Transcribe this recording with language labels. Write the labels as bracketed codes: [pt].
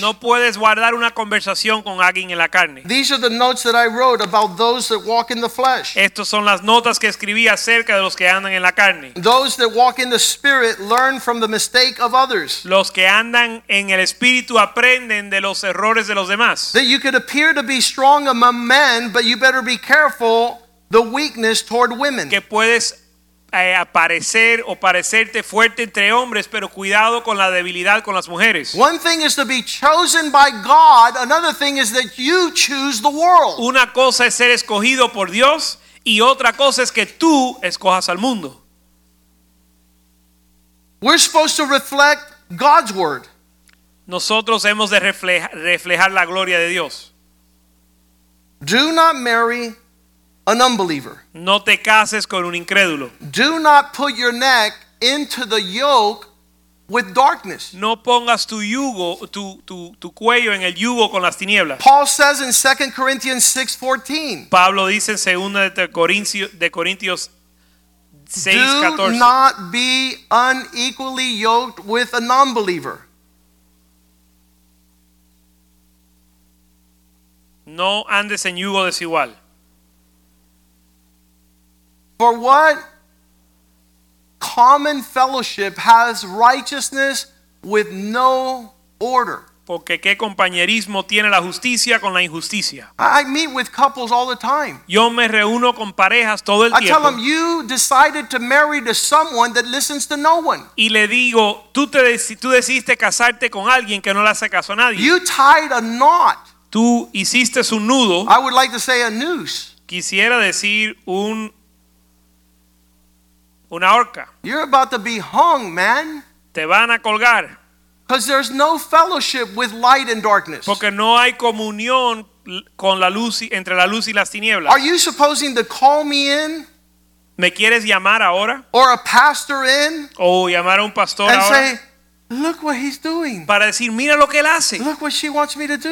[es] No puedes guardar una conversación con alguien en la carne. [en] These are the notes that I wrote about those that walk in the flesh. [es] Estos son las notas que escribí acerca de los que andan en la carne. [en] Those that walk in the spirit learn from the mistake of others. [es] Los que andan en el espíritu aprenden de los errores de los demás. [en] That you could appear to be strong among men, but you better be careful the weakness toward women. [es] Que puedes aparecer o parecerte fuerte entre hombres, pero cuidado con la debilidad con las mujeres. [en] One thing is to be chosen by God, another thing is that you choose the world. [es] Una cosa es ser escogido por Dios y otra cosa es que tú escojas al mundo. [en] We're supposed to reflect God's word. [es] Nosotros hemos de reflejar la gloria de Dios. [en] Do not marry an unbeliever. [es] No te cases con un incrédulo. [en] Do not put your neck into the yoke with darkness. [es] No pongas tu yugo, tu cuello en el yugo con las tinieblas. [en] Paul says in 2 Corinthians 6:14. [es] Pablo dice en 2 Corintios 6:14. [en] Do not be unequally yoked with a non-believer. [es] No andes en yugo desigual. [en] For what common fellowship has righteousness with no order? [es] Porque qué compañerismo tiene la justicia con la injusticia. [en] I meet with couples all the time. [es] Yo me reúno con parejas todo el tiempo. [en] I tell them, you decided to marry to someone that listens to no one. [es] Y le digo, tú decidiste casarte con alguien que no le hace caso a nadie. [en] You tied a knot. [es] Tú hiciste un nudo. [en] I would like to say a noose. [es] Quisiera decir un una horca. [en] You're about to be hung, man. [es] Te van a colgar. [en] Because there's no fellowship with light and darkness. [es] Porque no hay comunión con la luz y, entre la luz y las tinieblas. [en] Are you supposing to call me in? [es] ¿Me quieres llamar ahora? [en] Or a pastor in? [es] O llamar a un pastor [en] and [es] ahora. [en] Say, look what he's doing. [es] Para decir, mira lo que él hace. [en] Look what she wants me to do.